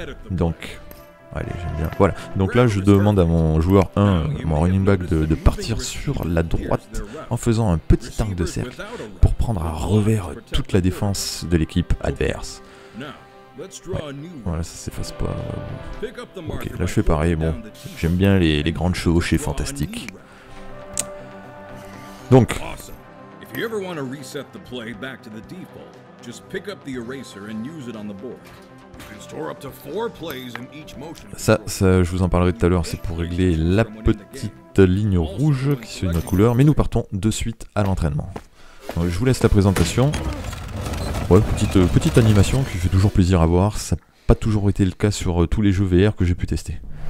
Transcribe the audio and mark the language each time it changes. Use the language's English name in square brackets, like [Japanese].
[French] Donc, allez, j'aime bien. Voilà, donc là je demande à mon joueur 1, mon running back, de partir sur la droite en faisant un petit arc de cercle pour prendre à revers toute la défense de l'équipe adverse. Ouais. Voilà, ça s'efface pas. Ok, là je fais pareil, bon, j'aime bien les grandes chevauchées fantastiques. Donc, [English] if you ever want to reset the play back to the default, just pick up the eraser and use it on the board. You can store up to 4 plays in each motion. [French] Ça, je vous en parlerai tout à l'heure, c'est pour régler la petite ligne rouge qui suit ma couleur, mais nous partons de suite à l'entraînement. Donc, je vous laisse la présentation. Ouais, petite animation qui fait toujours plaisir à voir, ça n'a pas toujours été le cas sur tous les jeux VR que j'ai pu tester.